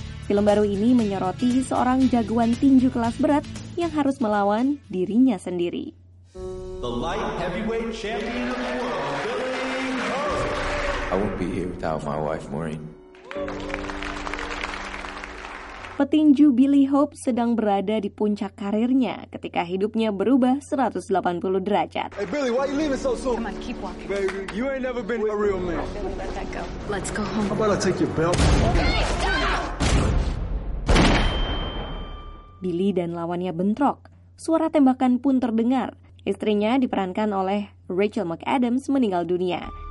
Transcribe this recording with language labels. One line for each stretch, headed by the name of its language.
Indonesian: Film baru ini menyoroti seorang jagoan tinju kelas berat yang harus melawan dirinya sendiri.
English: The light heavyweight champion of the world, Billy Ho. I won't be here without my wife, Maureen.
Indonesian: Petinju Billy Hope sedang berada di puncak karirnya ketika hidupnya berubah 180 derajat.
English: Hey Billy, why you leaving so soon? Come on, keep walking. Baby, you ain't never been a real man. Let's go home. How about I take your belt? Billy, stop!
Indonesian: Billy dan lawannya bentrok. Suara tembakan pun terdengar. Istrinya diperankan oleh Rachel McAdams meninggal dunia.